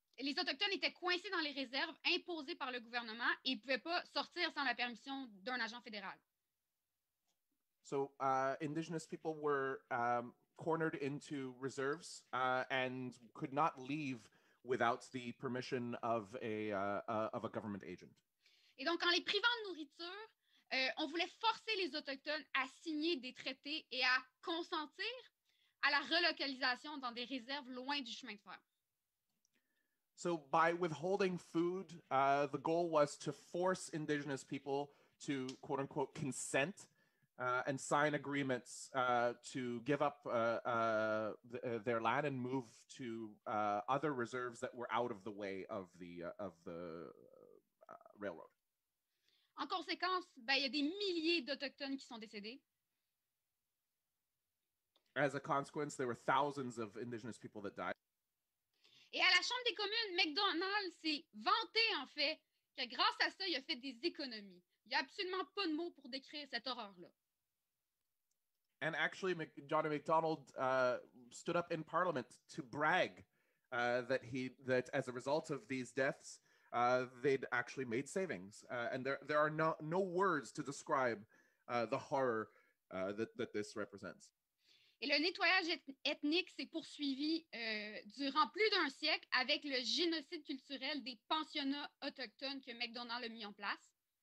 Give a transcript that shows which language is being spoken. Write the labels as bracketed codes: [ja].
[fr] Les autochtones étaient coincés dans les réserves imposées par le gouvernement et ils pouvaient pas sortir sans la permission d'un agent fédéral. [en] So indigenous people were cornered into reserves and could not leave without the permission of a government agent. [fr] Et donc en les privant de nourriture, on voulait forcer les autochtones à signer des traités et à consentir à la relocalisation dans des réserves loin du chemin de fer. [en] So by withholding food, the goal was to force indigenous people to quote unquote consent and sign agreements to give up their land and move to other reserves that were out of the way of the railroad. [fr] En conséquence, ben, y a des milliers d'Autochtones qui sont décédés. [en] As a consequence, there were thousands of indigenous people that died. [fr] Et à la Chambre des communes, McDonald s'est vanté en fait que grâce à ça, il a fait des économies. Il n'y a absolument pas de mots pour décrire cette horreur-là. [en] And actually, John McDonald stood up in Parliament to brag that as a result of these deaths, they'd actually made savings. And there are no words to describe the horror that this represents. [fr] Et le nettoyage ethnique s'est poursuivi durant plus d'un siècle avec le génocide culturel des pensionnats autochtones que McDonald a mis en place.